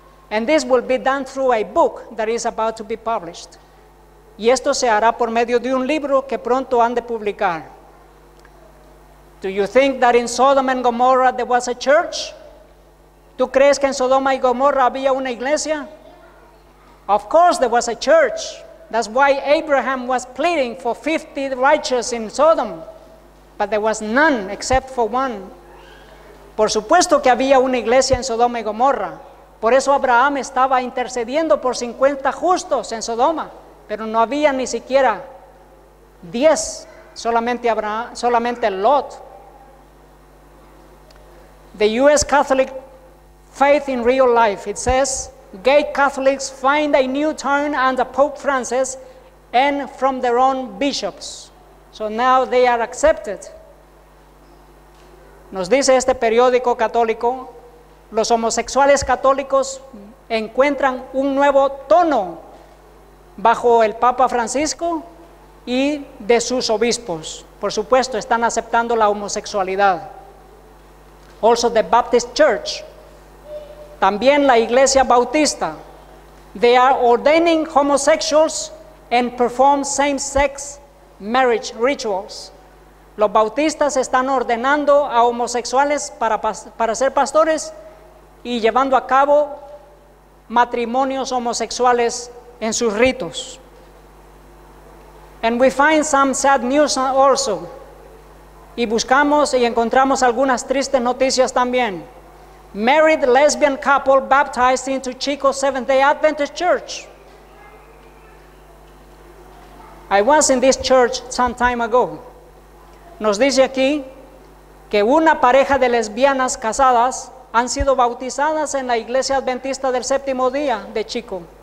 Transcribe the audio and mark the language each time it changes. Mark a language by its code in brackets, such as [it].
[en] And this will be done through a book that is about to be published. [es] Y esto se hará por medio de un libro que pronto han de publicar. [en] Do you think that in Sodom and Gomorrah there was a church? [es] ¿Tú crees que en Sodoma y Gomorra había una iglesia? [en] Of course there was a church. That's why Abraham was pleading for 50 righteous in Sodom. But there was none except for one. [es] Por supuesto que había una iglesia en Sodoma y Gomorra. Por eso Abraham estaba intercediendo por 50 justos en Sodoma. Pero no había ni siquiera 10, solamente Lot. [en] The U.S. Catholic faith in real life. It says, gay Catholics find a new turn under Pope Francis and from their own bishops. So now they are accepted. [es] Nos dice este periódico católico, los homosexuales católicos encuentran un nuevo tono bajo el Papa Francisco y de sus obispos. Por supuesto, están aceptando la homosexualidad. [en] Also the Baptist Church. [es] También la Iglesia Bautista. [en] They are ordaining homosexuals and perform same-sex marriage rituals. [es] Los bautistas están ordenando a homosexuales para ser pastores y llevando a cabo matrimonios homosexuales en sus ritos. [en] And we find some sad news also. [es] Y buscamos y encontramos algunas tristes noticias también. [en] Married lesbian couple baptized into Chico Seventh-day Adventist Church. I was in this church some time ago. [es] Nos dice aquí que una pareja de lesbianas casadas han sido bautizadas en la Iglesia Adventista del Séptimo Día de Chico.